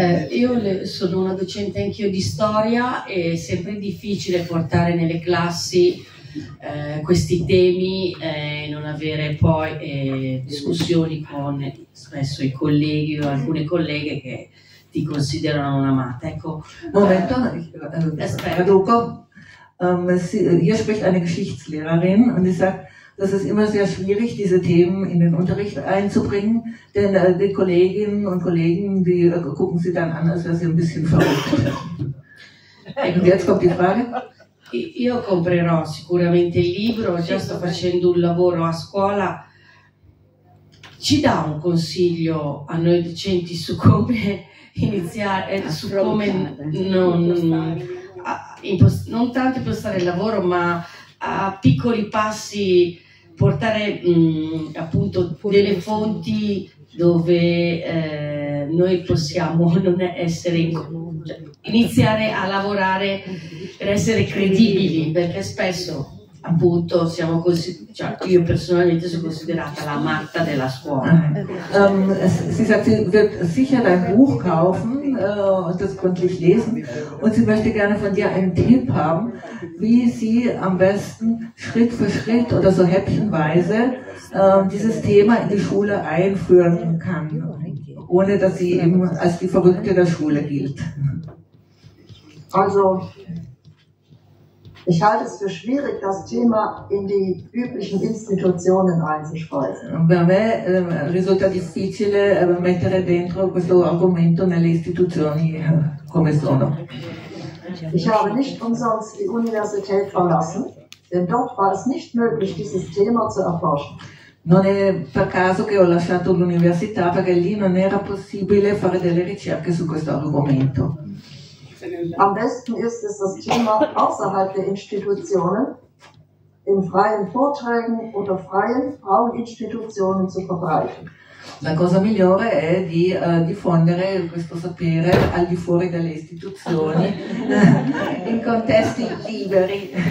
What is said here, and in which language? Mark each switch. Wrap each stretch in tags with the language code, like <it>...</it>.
<it>Io sono una docente anch'io di storia, e è sempre difficile portare nelle classi questi temi e non avere poi discussioni con spesso i colleghi o alcune colleghe che ti considerano una amata. Ecco, momento, traduco.</it> <de>Hier spricht eine Geschichtslehrerin und sie sagt, das ist immer sehr schwierig, diese Themen in den Unterricht einzubringen, denn die Kolleginnen und Kollegen, die gucken sie dann an, als wäre sie ein bisschen verrückt. Und jetzt kommt die Frage.</de> <it>Io comprerò sicuramente il libro, già sto facendo un lavoro a scuola. Ci dà un consiglio a noi docenti su come iniziare, su come non tanto impostare il lavoro, ma a piccoli passi portare appunto delle fonti dove noi possiamo non essere in comune. Iniziare a lavorare per essere credibili, perché spesso appunto siamo cioè io personalmente sono considerata la Marta della scuola.</it> <de>Sie sagt, sie wird sicher dein Buch kaufen und das gründlich lesen, und sie möchte gerne von dir einen Tipp haben, wie sie am besten Schritt für Schritt oder so häppchenweise dieses Thema in die Schule einführen kann, ohne dass sie eben als die Verrückte der Schule gilt. Also, ich halte es für schwierig, das Thema in die üblichen Institutionen einzuspeisen.</de> <it>Per me risulta difficile mettere dentro questo argomento nelle istituzioni come sono.</it> <de>Ich habe nicht umsonst die Universität verlassen, denn dort war es nicht möglich, dieses Thema zu erforschen.</de> <it>Non è per caso che ho lasciato l'università, perché lì non era possibile fare delle ricerche su questo argomento.</it> <de>Am besten ist es das Thema außerhalb der Institutionen, in freien Vorträgen oder freien Fraueninstitutionen zu verbreiten.</de> <it>La cosa migliore è di diffondere questo sapere al di fuori delle istituzioni, in contesti liberi.</it>